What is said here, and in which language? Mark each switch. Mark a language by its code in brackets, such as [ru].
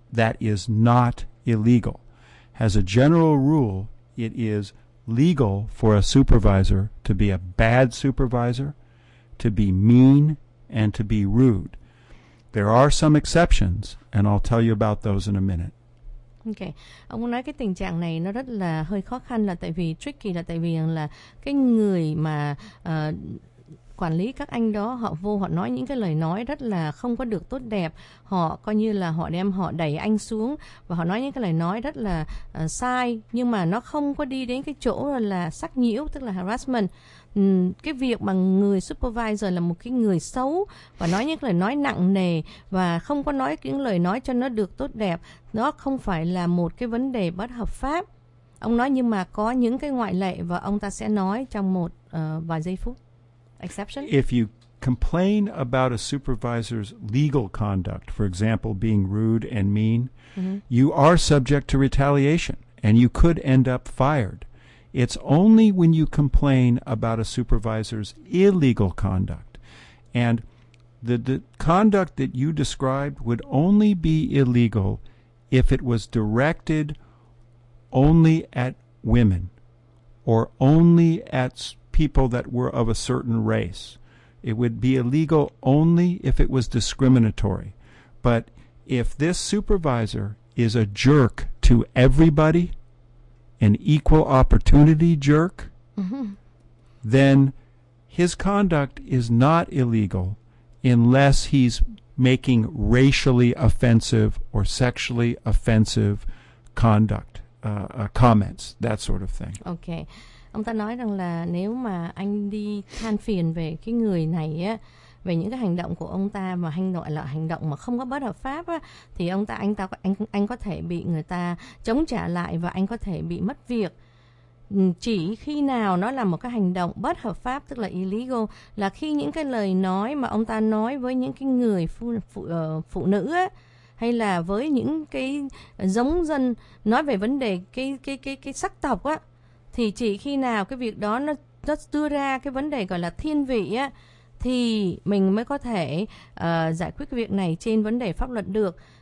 [en] That is not illegal. As a general rule, it is legal for a supervisor to be a bad supervisor, to be mean, and to be rude. There are some exceptions, and I'll tell you about those in a minute. Okay. [vi] Ông nói cái tình trạng này nó rất là hơi khó khăn, là tại vì tricky, là tại vì là cái người mà quản lý các anh đó, họ vô, họ nói những cái lời nói rất là không có được tốt đẹp. Họ coi như là họ đẩy anh xuống, và họ nói những cái lời nói rất là sai, nhưng mà nó không có đi đến cái chỗ là sắc nhiễu, tức là harassment. Cái việc mà người supervisor là một cái người xấu và nói những lời nói nặng nề và không có nói những lời nói cho nó được tốt đẹp, nó không phải là một cái vấn đề bất hợp pháp. Ông nói nhưng mà có những cái ngoại lệ, và ông ta sẽ nói trong một vài giây phút. Exception. [en] If you complain about a supervisor's legal conduct, for example, being rude and mean, you are subject to retaliation and you could end up fired. It's only when you complain about a supervisor's illegal conduct, and the conduct that you described would only be illegal if it was directed only at women or only at people that were of a certain race. It would be illegal only if it was discriminatory. But if this supervisor is a jerk to everybody, an equal opportunity jerk, then his conduct is not illegal unless he's making racially offensive or sexually offensive conduct, comments, that sort of thing. Okay. [vi] Ông ta nói rằng là nếu mà anh đi than phiền về cái người này á, về những cái hành động của ông ta mà hành động là hành động mà không có bất hợp pháp á, thì anh có thể bị người ta chống trả lại và anh có thể bị mất việc. Chỉ khi nào nó là một cái hành động bất hợp pháp, tức là illegal, là khi những cái lời nói mà ông ta nói với những cái người phụ nữ á, hay là với những cái giống dân nói về vấn đề cái sắc tộc á, thì chỉ khi nào cái việc đó nó đưa ra cái vấn đề gọi là thiên vị á, thì mình mới có thể giải quyết cái việc này trên vấn đề pháp luật được.